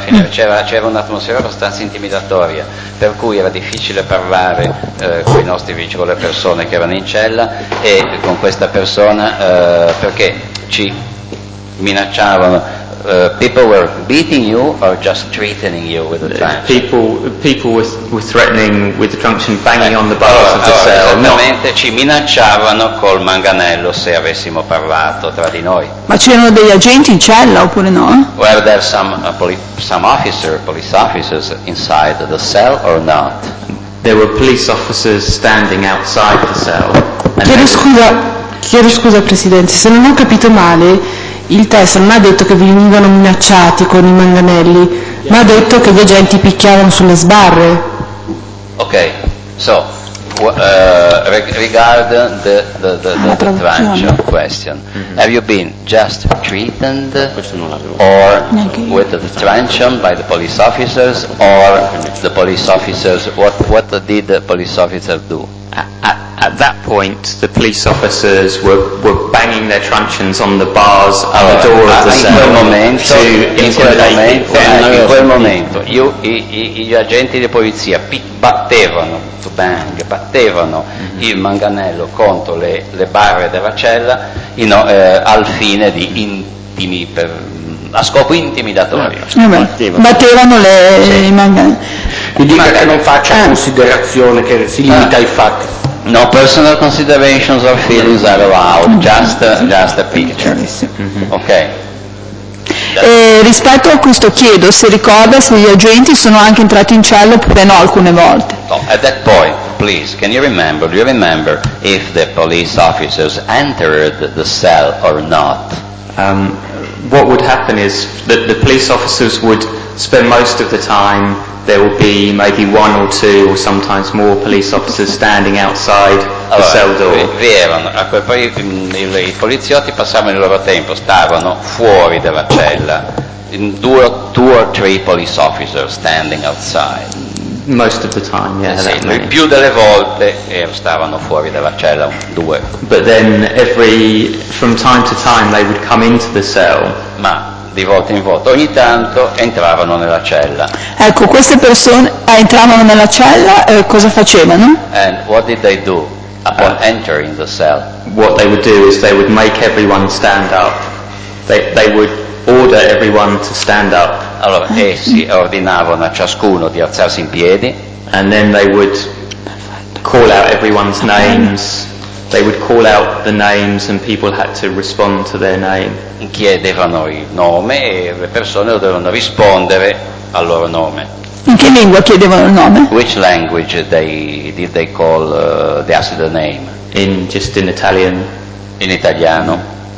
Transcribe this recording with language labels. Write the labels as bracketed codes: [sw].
[it] C'era un'atmosfera abbastanza intimidatoria, per cui era difficile parlare con i nostri vicini, con le persone che erano in cella, e con questa persona perché ci minacciavano. [en] People were beating you or just threatening you with a truncheon? People were threatening with the truncheon, banging on the bars of the cell. [it] Esattamente, ci minacciavano col manganello se avessimo parlato tra di noi. Ma c'erano degli agenti in cella oppure no? [en] Were there some police officers inside the cell or not? There were police officers standing outside the cell. [it] Chiedo scusa Presidente, se non ho capito male, il testo non ha detto che venivano minacciati con i manganelli, ma ha detto che gli agenti picchiavano sulle sbarre. [en] Ok, so, regard the trancio question. Mm-hmm. Have you been just treated or with the trancio by the police officers or the police officers, what did the police officer do? At that point, the police officers were banging their truncheons on the bars at the door of the cell. [it] In quel momento, gli agenti di polizia battevano il manganello contro le barre della cella al fine di a scopo intimidatorio. Battevano i manganelli. Quindi perché non faccia considerazione che si limita ai fatti. [en] No personal considerations or feelings are allowed, just a picture. Mm-hmm. Okay. [it] Rispetto a questo chiedo se ricorda se gli agenti sono anche entrati in cella oppure no alcune volte. [en] No, at that point, please, can you remember, do you remember if the police officers entered the cell or not? What would happen is that the police officers would spend most of the time, there will be maybe one or two or sometimes more police officers standing outside [it] allora, [en] the cell door. [it] Vi erano, i poliziotti passavano il loro tempo, stavano fuori della cella, [en] two or three police officers standing outside. Most of the time, [it] più delle volte stavano fuori dalla cella, due. [en] But then from time to time they would come into the cell. [it] Ma di volta in volta, ogni tanto entravano nella cella. Ecco, queste persone entravano nella cella, cosa facevano? [en] And what did they do upon entering the cell? What they would do is they would make everyone stand up. They would order everyone to stand up. [it] Allora, essi ordinavano a ciascuno di alzarsi in piedi. [en] And then they would call out everyone's names. They would call out the names and people had to respond to their name. [it] Chiedevano il nome e le persone dovevano rispondere al loro nome. In che lingua chiedevano il nome? [en] Which language they asked the name? In Italian. [it] In italiano.